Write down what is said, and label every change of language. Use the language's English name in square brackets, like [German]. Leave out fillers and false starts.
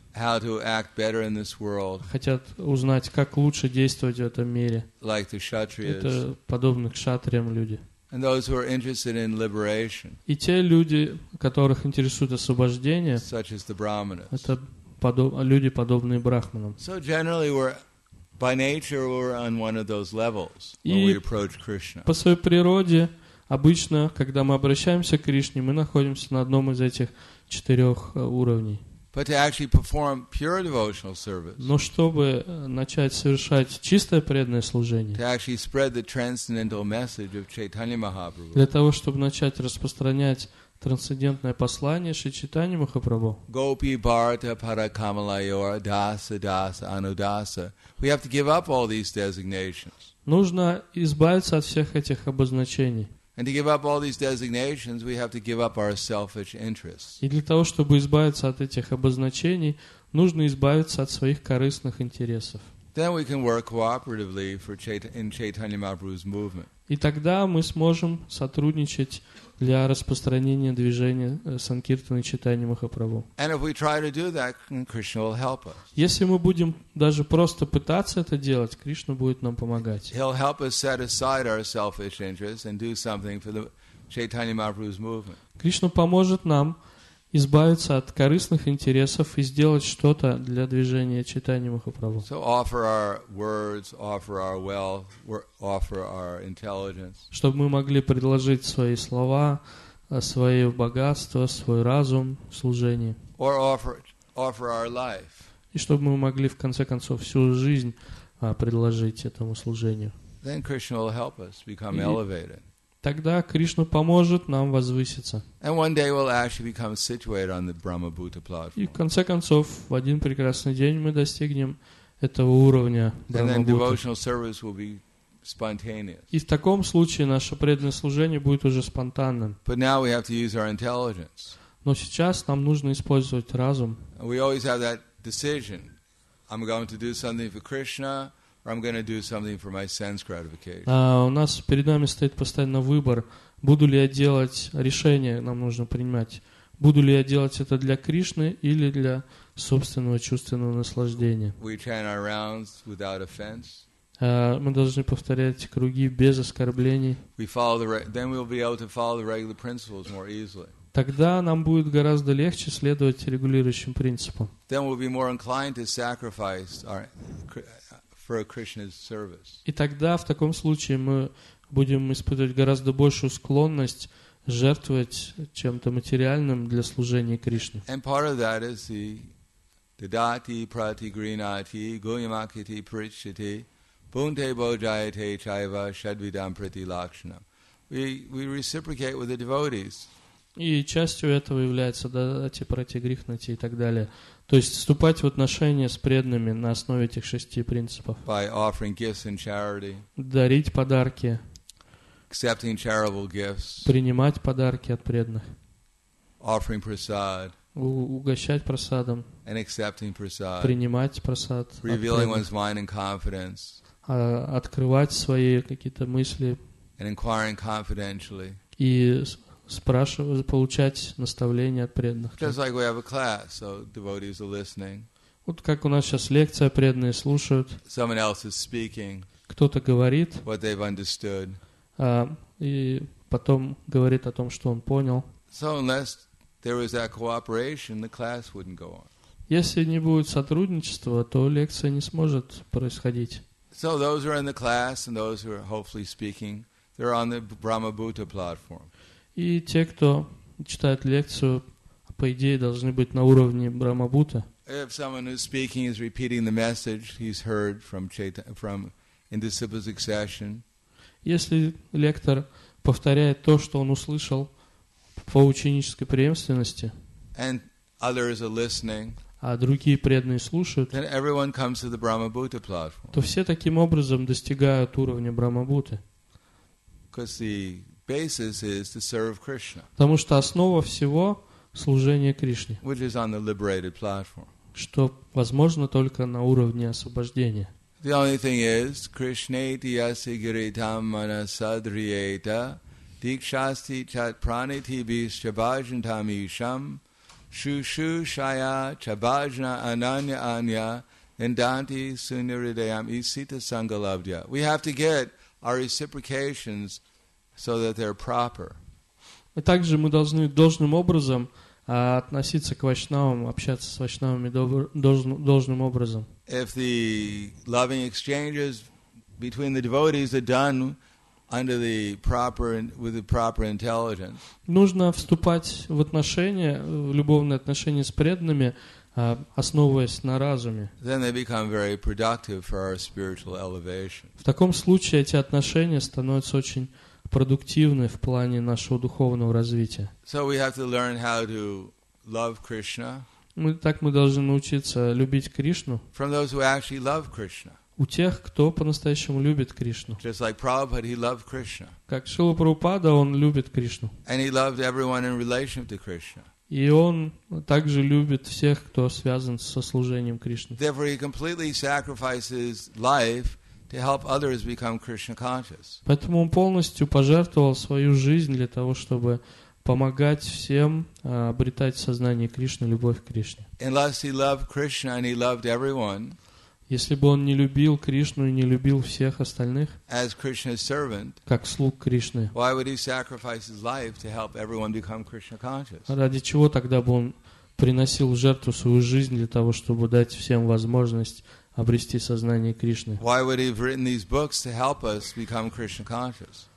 [English] how to act better in this world. [Russian] Хотят узнать, как лучше действовать в этом мире. [English] Like the kshatriyas. [Russian] Это подобны кшатриям люди. [English] And those who are interested in liberation. [Russian] И те люди, которых интересует освобождение. [English] Such as the brahmanas. [Russian] Это люди, подобные брахманам. [English] So generally we're, by nature, we're on one of those levels when we approach Krishna. [Russian] По своей природе, обычно, когда мы обращаемся к Кришне, мы находимся на одном из этих четырех уровней. [English] But to actually perform pure devotional service. [Russian] Но чтобы начать совершать чистое преданное служение. [English] To actually spread the transcendental message of Chaitanya Mahaprabhu. [Russian] Для того, чтобы начать распространять трансцендентное послание Шри Чайтаньи Махапрабху. [Sanskrit] Gopi Bharata Parakamalayor Dasa Dasa Anudasa. [English] We have to give up all these designations. [Russian] Нужно избавиться от всех этих обозначений. [English] And to give up all these designations, we have to give up our selfish interests. [Russian] И для того, чтобы избавиться от этих обозначений, нужно избавиться от своих корыстных интересов. [English] Then we can work cooperatively for in Chaitanya Mahaprabhu's movement. [Russian] И тогда мы сможем сотрудничать для распространения движения Санкиртаны Чайтаньи Махапрабху. [English] And if we try to do that, Krishna will help us. [Russian] Если мы будем даже просто пытаться это делать, Кришна будет нам помогать. [English] He'll help us set aside our selfish interests and do something for the Chaitanya Mahaprabhu's movement. [Russian] Кришна поможет нам избавиться от корыстных интересов и сделать что-то для движения Чайтаньи Махапрабху. [English] So offer our words, offer our wealth, offer our intelligence. [Russian] Чтобы мы могли предложить свои слова, свое богатство, свой разум в служении. [English] Or offer our life. [Russian] И чтобы мы могли, в конце концов, всю жизнь предложить этому служению. [English] Then Krishna will help us become elevated. [Russian] Тогда Кришна поможет нам возвыситься. [English] And one day we'll actually become situated on the Brahma-Bhuta platform. [Russian] И в конце концов, в один прекрасный день мы достигнем этого уровня Брахма-Бхута. [English] And then devotional service will be spontaneous. [Russian] И в таком случае наше преданное служение будет уже спонтанным. [English] But now we have to use our intelligence. [Russian] Но сейчас нам нужно использовать разум. [English] And we always have that decision. I'm going to do something for Krishna. Or I'm going to do something for my sense gratification. [Russian] У нас перед нами стоит постоянно выбор, буду ли я делать решение, нам нужно принимать, буду ли я делать это для Кришны или для собственного чувственного наслаждения. [English] We chant our rounds without offense. [Russian] Мы должны повторять круги без оскорблений. [English] We follow the then we'll be able to follow the regular principles more easily. [Russian] Тогда нам будет гораздо легче следовать регулирующим принципам. [English] Then we'll be more inclined to sacrifice our for Krishna's service. [Russian] И тогда в таком случае мы будем испытывать гораздо большую склонность жертвовать чем-то материальным для служения Кришне. [English] And part of that is the [Sanskrit] dadati prati grinati guhyamakiti prichiti bhunte bojayate chaiva shadvidam priti lakshanam. [English] We reciprocate with the devotees. [Russian] И частью этого является дадати, прати, грихнати и так далее. То есть вступать в отношения с преданными на основе этих шести принципов. [English] By offering gifts and charity. [Russian] Дарить подарки. [English] Accepting charitable gifts. [Russian] Принимать подарки от преданных. [English] Offering prasad. [Russian] Угощать прасадом. [English] And accepting prasad. [Russian] Принимать прасад. [English] Revealing one's mind and confidence. [Russian] Открывать свои какие-то мысли. [English] And inquiring confidentially. [Russian] И спрашивать, получать наставления от преданных. [English] Just like we have a class, so devotees are listening. [Russian] Вот как у нас сейчас лекция, преданные слушают. [English] Someone else is speaking. [Russian] Кто-то говорит. [English] What they've understood. [Russian] И потом говорит о том, что он понял. [English] So unless there was that cooperation, the class wouldn't go on. [Russian] Если не будет сотрудничества, то лекция не сможет происходить. [English] So those who are in the class and those who are hopefully speaking, they're on the Brahma-Bhuta platform. [Russian] И те, кто читает лекцию, по идее, должны быть на уровне Брахмабута. [English] If someone who's speaking is repeating the message he's heard from in disciple succession. [Russian] Если лектор повторяет то, что он услышал по ученической преемственности, [English] and others are listening, [Russian] а другие преданные слушают, [English] then everyone comes to the Brahma-Bhuta platform. [Russian] То все таким образом достигают уровня Брахмабуты. [English] Because the basis is to serve Krishna. [Russian] Потому что основа всего — служение Кришне. [English] Which is on the liberated platform. [Russian] Что возможно только на уровне освобождения. [English] The only thing is, [Sanskrit] Krishneti yasi giritam manasadriyeta dikshasti chat praniti bis chabajantam isham shushu shaya chabajna ananya anya indanti sunyaridayam isita sangalabdya. [English] We have to get our reciprocations so that they're proper. [Russian] И также мы должны должным образом относиться к вайшнавам, общаться с вайшнавами должным образом. [English] If the loving exchanges between the devotees are done under the proper with the proper intelligence. [Russian] Нужно вступать в отношения, в любовные отношения с преданными, основываясь на разуме. [English] Then they become very productive for our spiritual elevation. [Russian] В таком случае эти отношения становятся очень продуктивны в плане нашего духовного развития. [English] So we have to learn how to love Krishna. [Russian] Мы должны научиться любить Кришну. [English] From those who actually love Krishna. [Russian] У тех, кто по-настоящему любит Кришну. [English] Just like Prabhupada, he loved Krishna. [Russian] Как Шрила Прабхупада, он любит Кришну. [English] And he loved everyone in relation to Krishna. [Russian] И он также любит всех, кто связан со служением Кришне. [English] Therefore, he completely sacrifices life to help others become Krishna conscious. [Russian] Поэтому он полностью пожертвовал свою жизнь для того, чтобы помогать всем обретать сознание Кришны, любовь к Кришне. [English] Unless he loved Krishna and he loved everyone, [Russian] если бы он не любил Кришну и не любил всех остальных, [English] as Krishna's servant, [Russian] как слуг Кришны, [English] why would he sacrifice his life to help everyone become Krishna conscious? [Russian] Ради чего тогда бы он приносил в жертву свою жизнь для того, чтобы дать всем возможность обрести сознание Кришны? [English] Why would he have written these books to help us become Krishna conscious?